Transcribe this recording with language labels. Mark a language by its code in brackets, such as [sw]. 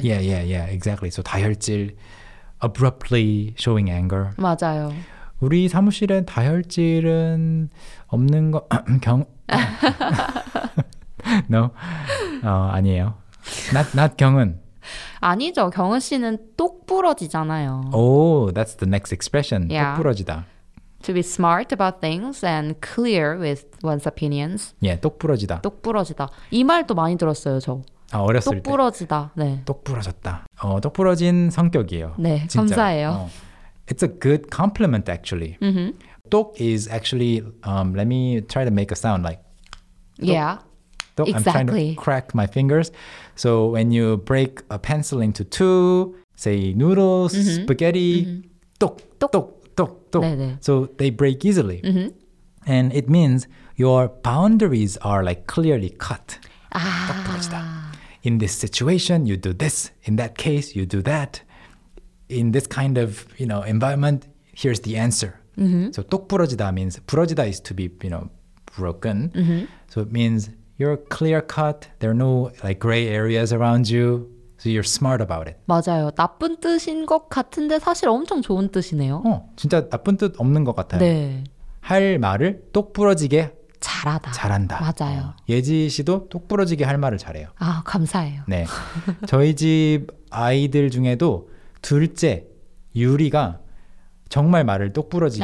[en] Yeah, yeah, yeah, exactly. So 다혈질, abruptly showing anger. [ko] 맞아요. 우리 사무실엔 다혈질은 없는 거, 경, no, 아니에요. [en] Not 경은. [ko] 아니죠. 경은 씨는 똑부러지잖아요. [en] Oh, that's the next expression. Yeah. [ko] 똑부러지다. [en] To be smart about things and clear with one's opinions. [ko] Yeah, 똑부러지다. 똑부러지다. 이 말도 많이 들었어요, 저. 아, 어렸을 똑부러지다. 때. 똑부러지다. 네. 똑부러졌다. 똑부러진 성격이에요. 네, 진짜로. 감사해요. [en] It's a good compliment, actually. Mm-hmm. 똑 is actually, let me try to make a sound like. 똑. Yeah. Exactly. I'm trying to crack my fingers. So when you break a pencil into two, say noodles, mm-hmm. spaghetti, mm-hmm. 똑, 똑, 똑, 똑. [ko] 네, 네. [en] So they break easily. Mm-hmm. And it means your boundaries are like clearly cut. [ko] 딱 떨어지다. [en] In this situation, you do this. In that case, you do that. In this kind of, you know, environment, here's the answer. Mm-hmm. So 똑 부러지다 means, 부러지다 is to be, you know, broken. Mm-hmm. So it means you're clear cut. There are no like gray areas around you. So you're smart about it. [ko] 맞아요. 나쁜 뜻인 것 같은데 사실 엄청 좋은 뜻이네요. 진짜 나쁜 뜻 없는 것 같아요. 네. 할 말을 똑 부러지게 잘하다. 잘한다. 맞아요. 예지 씨도 똑 부러지게 할 말을 잘해요. 아, 감사해요. 네. 저희 집 아이들 중에도 둘째 유리가 정말 말을 똑 부러지게